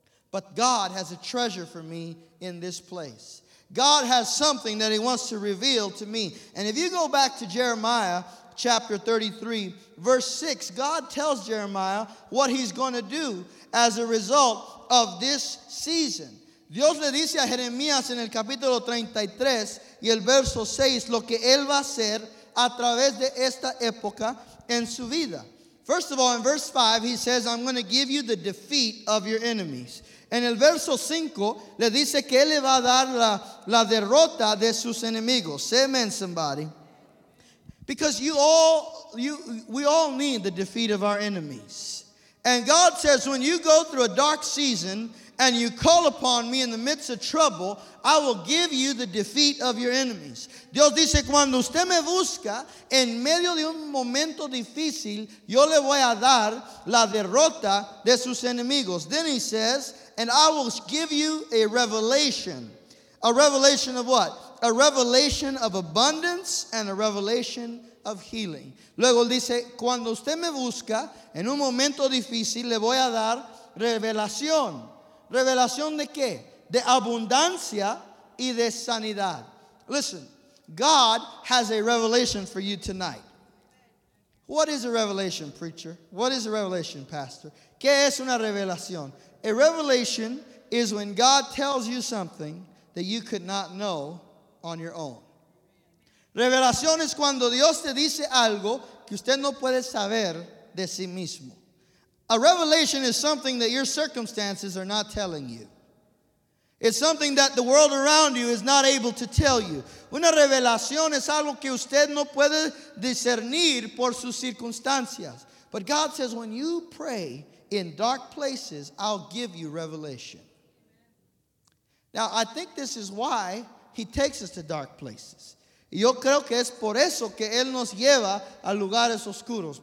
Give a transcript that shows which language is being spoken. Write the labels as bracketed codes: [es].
[en] But God has a treasure for me in this place. God has something that he wants to reveal to me. And if you go back to Jeremiah chapter 33, verse 6, God tells Jeremiah what he's going to do as a result of this season. [es] Dios le dice a Jeremías en el capítulo 33 y el verso 6 lo que él va a hacer a través de esta época en su vida. [en] First of all, in verse 5, he says, I'm going to give you the defeat of your enemies. [es] En el verso 5, le dice que él le va a dar la derrota de sus enemigos. [en] Say amen, somebody. Because we all need the defeat of our enemies. And God says, when you go through a dark season and you call upon me in the midst of trouble, I will give you the defeat of your enemies. [es] Dios dice, cuando usted me busca, en medio de un momento difícil, yo le voy a dar la derrota de sus enemigos. [en] Then he says, and I will give you a revelation. A revelation of what? A revelation of abundance and a revelation of healing. [es] Luego dice, cuando usted me busca, en un momento difícil, le voy a dar revelación. ¿Revelación de qué? De abundancia y de sanidad. [en] Listen, God has a revelation for you tonight. What is a revelation, preacher? What is a revelation, pastor? [es] ¿Qué es una revelación? [en] A revelation is when God tells you something that you could not know on your own. [es] Revelación es cuando Dios te dice algo que usted no puede saber de sí mismo. [en] A revelation is something that your circumstances are not telling you. It's something that the world around you is not able to tell you. [es] Una revelación es algo que usted no puede discernir por sus circunstancias. [en] But God says, when you pray in dark places, I'll give you revelation. Now, I think this is why he takes us to dark places. [es] Yo creo que es por eso que él nos lleva a lugares oscuros.